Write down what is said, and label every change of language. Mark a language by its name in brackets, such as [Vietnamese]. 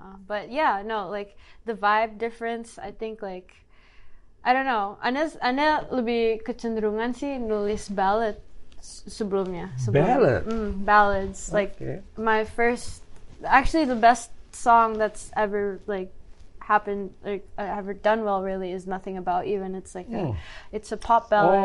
[English] But yeah, no, like the vibe difference, I think like, I don't know. [Indonesian] Ane lebih kecenderungan sih nulis ballad sebelumnya. [English] Ballad? Ballads. Like, okay. My first, actually the best song that's ever like happened, like ever done well really, is Nothing About You. And it's like, it's a pop ballad.